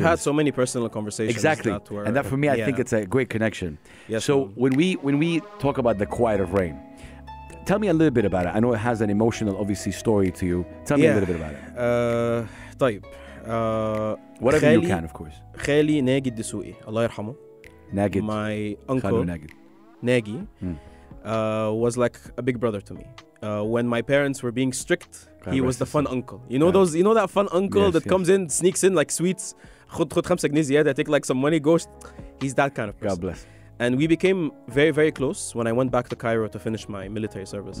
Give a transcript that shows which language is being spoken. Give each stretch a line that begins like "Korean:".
English: We've had so many personal conversations. Exactly. That were, and that for me, I yeah. think it's a great connection. Yes, so ma'am. when we talk about The Quiet of Rain, tell me a little bit about it. I know it has an emotional, obviously, story to you. Tell me yeah. a little bit about it.
Arabic: طيب.
English: Whatever
Arabic: خالي,
English: you can, of course.
Arabic: خالي ناجي الدسوقي. الله يرحمه.
English: Naged. My uncle Naged. Nagi, was like a big brother to me. When my parents were being strict, he was the fun uncle. You know those, you know that fun uncle comes in, sneaks in like sweets, take like some money, goes. He's that kind of person. God bless. And we became very, very close when I went back to Cairo to finish my military service.